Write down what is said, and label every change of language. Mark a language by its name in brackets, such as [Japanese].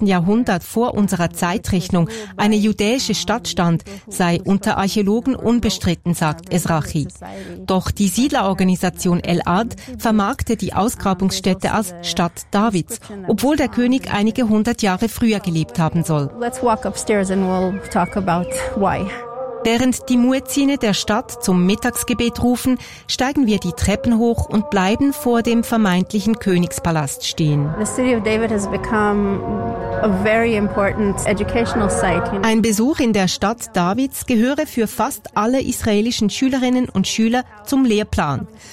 [German] Jahrhundert vor unserer Zeitrechnung eine jüdische Stadt stand, sei unter Archäologen unbestritten, sagt Ezrahi. Doch die Siedlerorganisation El Ad vermarkte die Ausgrabungsstätte als Stadt Davids, obwohl der König einige hundert Jahre früher gelebt haben soll. [English] Let's walk upstairs and we'll talk about why. [German] Während die Muezzine der Stadt zum Mittagsgebet rufen, steigen wir die Treppen hoch und bleiben vor dem vermeintlichen Königspalast stehen. Ein Besuch in der Stadt Davids gehöre für fast alle israelischen Schülerinnen und Schüler zum Lehrplan.